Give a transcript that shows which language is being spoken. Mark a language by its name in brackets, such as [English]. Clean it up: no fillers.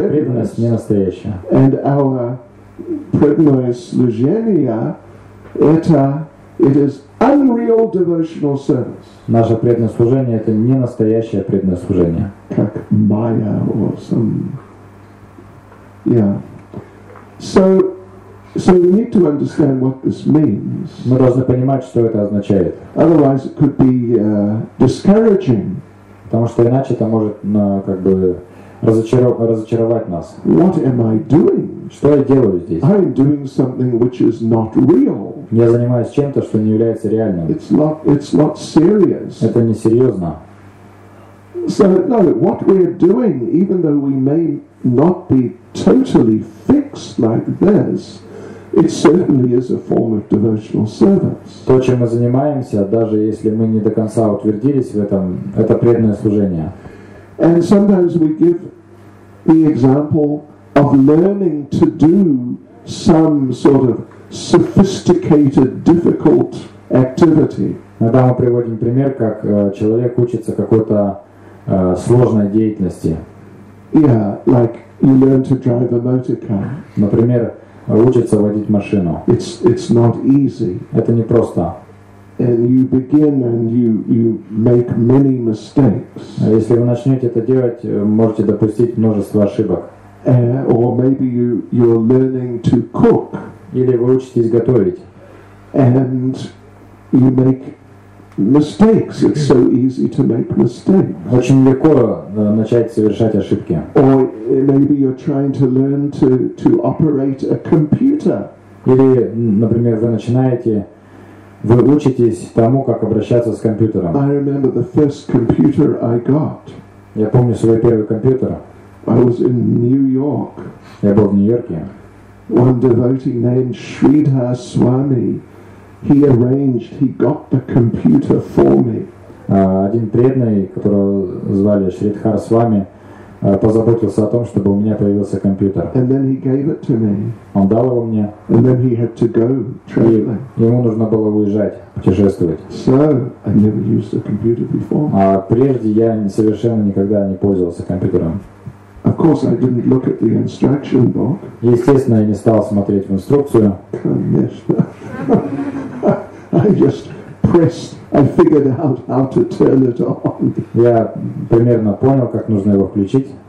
[Russian] преданность не настоящая. [English] And our [Russian] преданное служение [English] it is unreal devotional service. [Russian] Наше преданное служение это не настоящее преданное служение. Как майя [English] or some. Yeah. So we need to understand what this means. [Russian] Мы должны понимать, что это означает. [English] Otherwise, it could be discouraging. [Russian] Потому что иначе это может, разочаровать нас. [English] What am I doing? [Russian] Что я делаю здесь? [English] I'm doing something which is not real. [Russian] Я занимаюсь чем-то, что не является реальным. [English] It's not serious. [Russian] Это не серьезно. [English] So no, what we're doing, even though we may not be totally fixed like this. It certainly is a form of devotional service. [Russian] То, чем мы занимаемся, даже если мы не до конца утвердились в этом, это преданное служение. [English] And sometimes we give the example of learning to do some sort of sophisticated, difficult activity. [Russian] Иногда мы приводим пример, как человек учится какой-то сложной деятельности. [English] Yeah, like you learn to drive a motor car. [Russian] Например, учится водить машину. [English] It's not easy. [Russian] Это не просто. [English] And you begin and you make many mistakes. [Russian] Если вы начнете это делать, можете допустить множество ошибок. [English] Or maybe you're learning to cook. [Russian] Или вы учитесь готовить. [English] And you make mistakes. It's so easy to make mistakes. [Russian] Очень легко начать совершать ошибки. [English] Or maybe you're trying to learn to operate a computer. [Russian] Или, например, вы начинаете, вы учитесь тому, как обращаться с компьютером. [English] I remember the first computer I got. [Russian] Я помню свой первый компьютер. [English] I was in New York. [Russian] Я был в Нью-Йорке. [English] One devotee named Sridhar Swami. He arranged, he got the computer for me. [Russian] Один преданный, которого звали Шридхар Свами, позаботился о том, чтобы у меня появился компьютер. [English] And then he gave it to me. [Russian] Он дал его мне. [English] And then he had to go traveling. [Russian] И ему нужно было уезжать, путешествовать. [English] So, I never used a computer before. [Russian] А прежде я совершенно никогда не пользовался компьютером. [English] Of course, I didn't look at the instruction book. [Russian] Естественно, я не стал смотреть в инструкцию. Конечно. [English] I just pressed. I figured out how to turn it on. [Russian] Я примерно понял, как нужно его включить.